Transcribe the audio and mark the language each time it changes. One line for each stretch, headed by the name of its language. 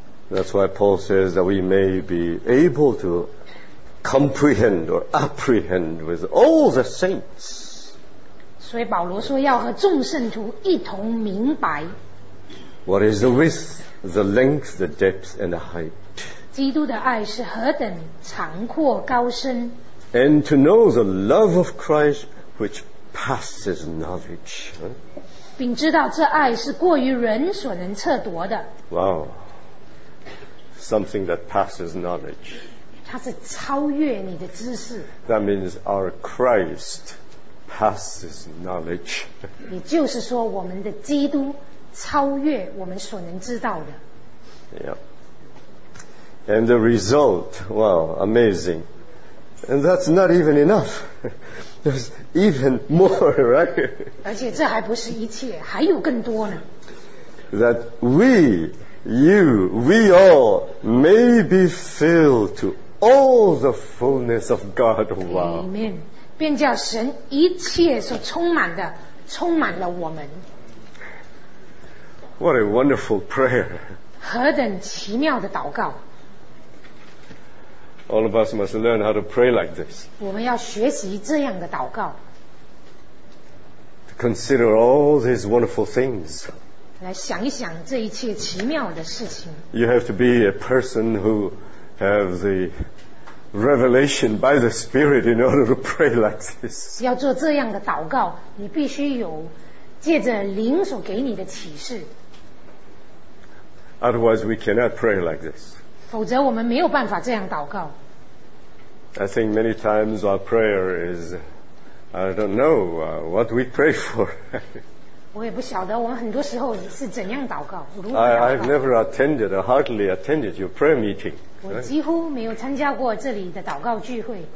English: That's why Paul says that we may be able to comprehend or apprehend with all the saints.
Chinese: 所以保罗说要和众圣徒一同明白。
English: What is the width, the length, the depth, and the height?
Chinese: 基督的爱是何等长阔高深。
English: And to know the love of Christ which passes knowledge.
Chinese: 并知道这爱是过于人所能测度的。
English: Wow. Something that passes knowledge.
Chinese: 它是超越你的知识。
English: That means our Christ passes knowledge.
Chinese: 也就是说，我们的基督超越我们所能知道的。
English: Yeah. And the result, wow, amazing. And that's not even enough. There's even more, right?
Chinese: 而且这还不是一切，还有更多呢。
English: That we. You, we all may be filled to all the fullness of God. Wow. Amen.
Chinese: 便叫神一切所充满的，充满了我们。
English: What a wonderful prayer.
Chinese: 何等奇妙的祷告。
English: All of us must learn how to pray like this.
Chinese: 我们要学习这样的祷告。
English: To consider all these wonderful things.
Chinese: 来想一想这一切奇妙的事情。
English: You have to be a person who have the revelation by the Spirit in order to pray like this.
Chinese: 要做这样的祷告，你必须有借着灵所给你的启示。
English: Otherwise, we cannot pray like this.
Chinese: 否则我们没有办法这样祷告。
English: I think many times our prayer is, I don't know, what we pray for.
Chinese: 我也不晓得我们很多时候是怎样祷告。
English: I've never attended or hardly attended your prayer meeting.
Chinese: 我几乎没有参加过这里的祷告聚会。